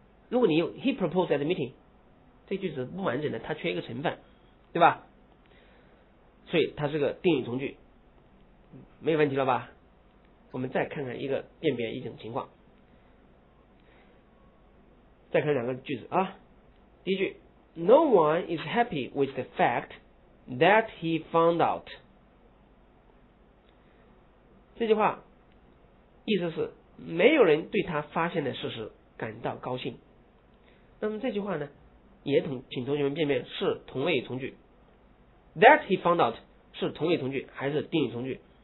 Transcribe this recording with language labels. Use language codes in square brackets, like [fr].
[zh] 如果你用 [en] he proposed at the meeting， [zh] 这句子不完整的，它缺一个成分，对吧？所以它是个定语从句，没有问题了吧？我们再看看一个辨别一种情况，再看两个句子啊。第一句 [en] ，No one is happy with the fact that he found out。 [zh] 这句话意思是没有人对他发现的事实感到高兴。那么这句话呢，也请同学们辨别是同位从句 ， [en] that he found out [zh] 是同位从句还是定语从句？